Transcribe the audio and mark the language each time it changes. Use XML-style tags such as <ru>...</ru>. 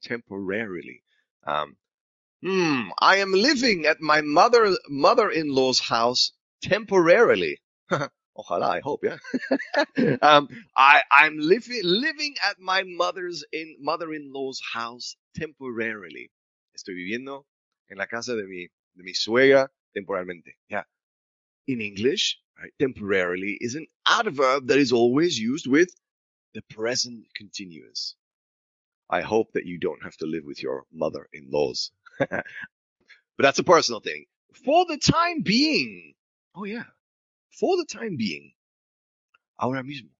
<en>Temporarily. I am living at my mother-in-law's house temporarily. Ojalá, I hope, yeah. I'm living at my mother-in-law's house temporarily.</en> <es>Estoy viviendo en la casa de mi suegra. Temporalmente, yeah.</es> <en>In English, right, temporarily is an adverb that is always used with the present continuous. I hope that you don't have to live with your mother-in-laws. But that's a personal thing. For the time being. Oh, yeah. For the time being.</en> <es>Ahora mismo.</es>